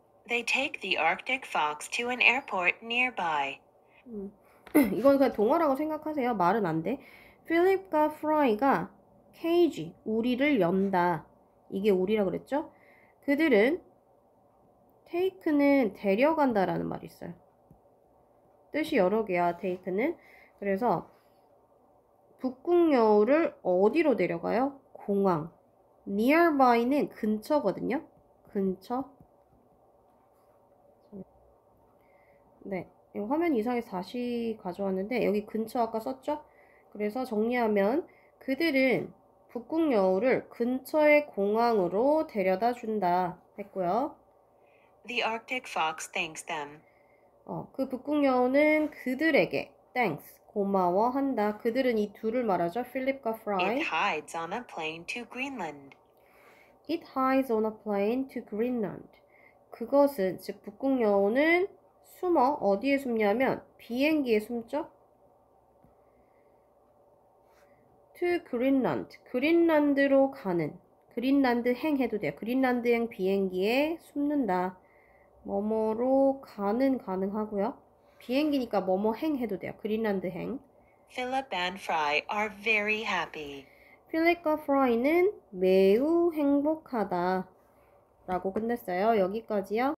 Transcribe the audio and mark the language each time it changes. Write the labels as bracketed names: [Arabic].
[English] They take the Arctic fox to an airport nearby. [Korean] 이건 그냥 동화라고 생각하세요. 말은 안 돼. 필립과 프라이가 케이지, 우리를 연다. 이게 우리라고 그랬죠? 그들은 테이크는 데려간다라는 말이 있어요. 뜻이 여러 개야, 테이크는. 그래서 북극 여우를 어디로 데려가요? 공항. nearby는 근처거든요. 근처. 네. 이거 화면 이상해서 다시 가져왔는데 여기 근처 아까 썼죠? 그래서 정리하면 그들은 북극 여우를 근처의 공항으로 데려다 준다 했고요. [English] The Arctic fox thanks them. [Korean] 그 북극 여우는 그들에게 thanks 고마워한다. 그들은 이 둘을 말하죠. Philip과 [English] It Fry. hides on a plane to Greenland. It hides on a plane to Greenland. [Korean] 그것은 즉 북극 여우는 숨어 어디에 숨냐면 비행기에 숨죠. [English] To Greenland, [Korean] 그린란드로 가는 그린란드 행 해도 돼요. 그린란드 행 비행기에 숨는다. 뭐뭐로 가는 가능하고요. 비행기니까 뭐뭐 행 해도 돼요. 그린란드 행. [English] Philip and Fry are very happy. [Korean] Philip과 Fry는 매우 행복하다라고 끝냈어요. 여기까지요.